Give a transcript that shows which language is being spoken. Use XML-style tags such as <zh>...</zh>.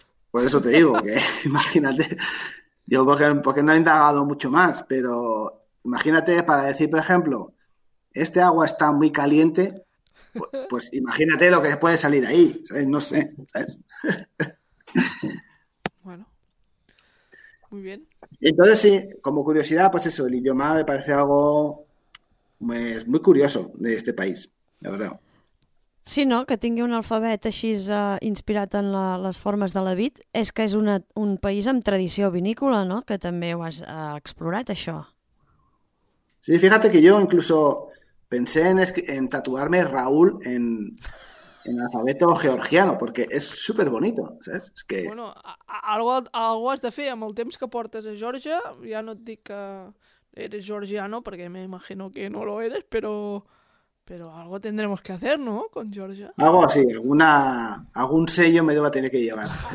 <es>Pues eso te digo, que imagínate, yo porque no he indagado mucho más, pero imagínate para decir, por ejemplo, este agua está muy caliente, pues imagínate lo que puede salir ahí, ¿sabes? No sé, ¿sabes? Bueno. Muy bien. Entonces, sí, como curiosidad, pues eso, el idioma me parece algo pues, muy curioso de este país, la verdad.</es> <ca>Sí, no, que tingui un alfabet així inspirat en les formes de la vid, és que és un país amb tradició vinícola, no?, que també ho has explorat, això.</ca> <es>Sí, fíjate que yo incluso pensé en tatuarme Raúl en alfabeto georgiano, porque es súper bonito, ¿sabes? Es que...</es> <ca>Bueno, algo has de fer amb el temps que portes a Georgia. Ja no et dic que</ca> <es>eres georgiano,</es> <ca>perquè</ca> <es>me imagino que no lo eres, pero algo tendremos que hacer, ¿no?, con Georgia. Algo así, algún sello me deba tener que llevar.</es>